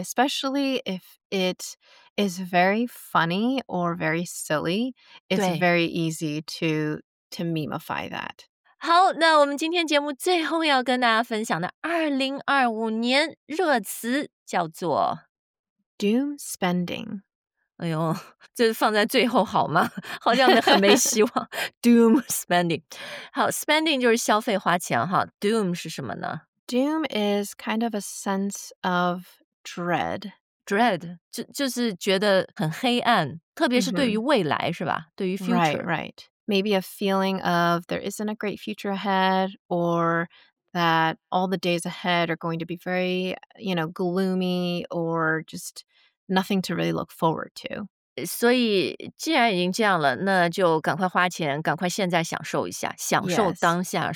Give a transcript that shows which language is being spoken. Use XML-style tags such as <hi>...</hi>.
<en>Especially if it is very funny or very silly, it's very easy to memify that.</en> <zh>好，那我们今天节目最后要跟大家分享的2025年热词叫做</zh> <en>Doom Spending.</en> <zh>哎呦，这放在最后好吗？好像很没希望。 Doom spending， 好 ，spending 就是消费花钱哈。 Doom 是什么呢</zh> <en>？Doom is kind of a sense of dread.</en> <zh>Dread 就是觉得很黑暗，特别是对于未来、mm-hmm. 是吧？对于 future，</zh> <en>right, right. Maybe a feeling of there isn't a great future ahead, or that all the days ahead are going to be very, you know, gloomy or just. Nothing to really look forward to.</en> <zh>所以既然已经这样了，那就赶快花钱，赶快现在享受一下，享受当下、</zh>